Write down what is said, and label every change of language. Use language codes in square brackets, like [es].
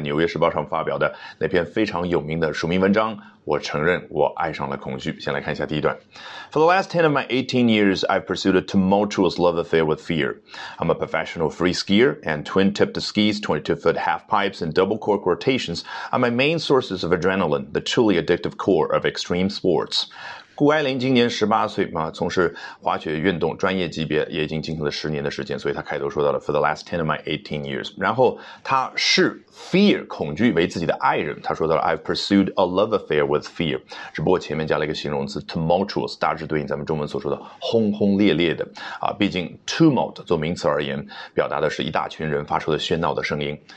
[zh] 咱们今天就来好好欣赏一下,学习一下谷爱凌在纽约时报上发表的那篇非常有名的署名文章, 我承认我爱上了恐惧。先来看一下第一段。 [en] For the last 10 of my 18 years, I've pursued a tumultuous love affair with fear. I'm a professional free skier, and twin-tipped skis, 22-foot half-pipes, and double-cork rotations are my main sources of adrenaline, the truly addictive core of extreme sports. [zh] 顾爱玲今年18岁嘛，从事滑雪运动专业级别也已经进行了10年的时间，所以她开头说到了 [en] for the last 10 of my 18 years， [zh] 然后她视 fear 恐惧为自己的爱人，她说到了 [en] I've pursued a love affair with fear， [zh] 只不过前面加了一个形容词 tumultuous， 大致对应咱们中文所说的轰轰烈烈的啊，毕竟 tumult 做名词而言，表达的是一大群人发出的喧闹的声音。